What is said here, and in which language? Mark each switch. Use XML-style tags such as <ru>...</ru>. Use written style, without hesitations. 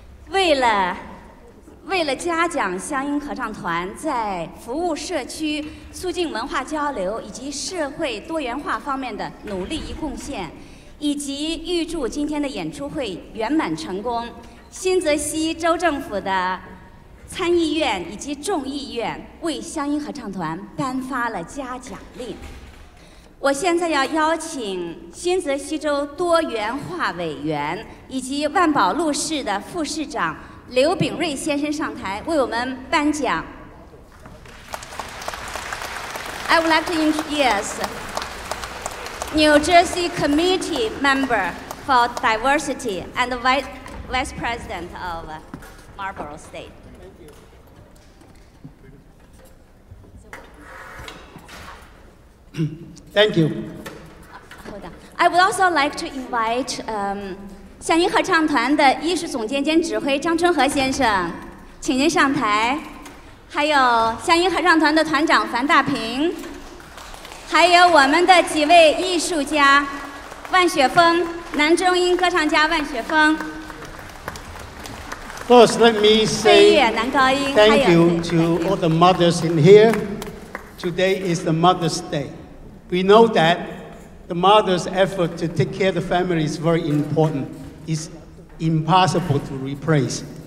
<zh>为了嘉奖湘音合唱团在服务社区、促进文化交流以及社会多元化方面的努力与贡献，以及预祝今天的演出会圆满成功，新泽西州政府的参议院以及众议院为湘音合唱团颁发了嘉奖令。我现在要邀请新泽西州多元化委员以及万宝路市的副市长刘炳瑞先生上台为我们颁奖。</zh> <en>I would like to introduce New Jersey Committee Member for Diversity and Vice President of Marlboro State. Thank you. Hold on. I would also like to invite</en> <zh>湘音合唱团的艺术总监兼指挥张春和先生，请您上台。还有湘音合唱团的团长樊大平，还有我们的几位艺术家，万雪峰，男中音歌唱家万雪峰。</zh> <en>First, let me say thank you to all the mothers in here. Today is the Mother's Day. We know that the mother's effort to take care of the family is very important. It's impossible to replace.</en>